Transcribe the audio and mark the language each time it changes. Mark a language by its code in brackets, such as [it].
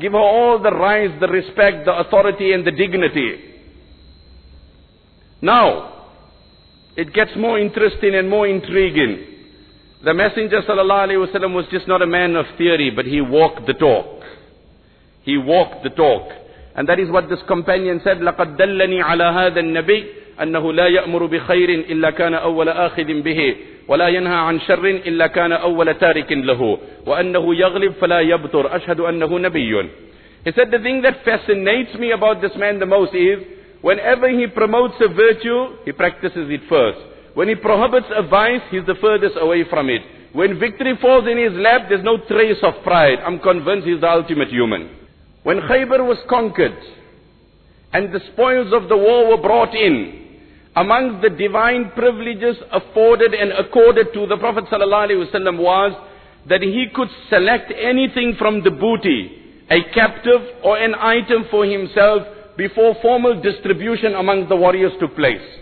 [en] Give her all the rights, the respect, the authority and the dignity. Now, it gets more interesting and more intriguing. The Messenger sallallahu alaihi wasallam was just not a man of theory, but he walked the talk. He walked the talk. And that is what this companion said, [ar] لَقَدْ دَلَّنِي عَلَىٰ هَذَا النَّبِيِّ أَنَّهُ لَا يَأْمُرُ بِخَيْرٍ إِلَّا كَانَ أَوَّلَ آخِذٍ بِهِ وَلَا يَنْهَى عَنْ شَرٍّ إِلَّا كَانَ أَوَّلَ تَارِكٍ لَهُ وَأَنَّهُ يَغْلِبْ فَلَا يَبْطُرْ أَشْهَدُ أَنَّهُ نَبِيٌّ. [en] He said, the thing that fascinates me about this man the most is, whenever he promotes a virtue, he practices it first. When he prohibits a vice, he's the furthest away from it. When victory falls in his lap, there's no trace of pride. I'm convinced he's the ultimate human. When Khaybar was conquered, and the spoils of the war were brought in, among the divine privileges afforded and accorded to the Prophet ﷺ was that he could select anything from the booty, a captive or an item for himself, before formal distribution among the warriors took place.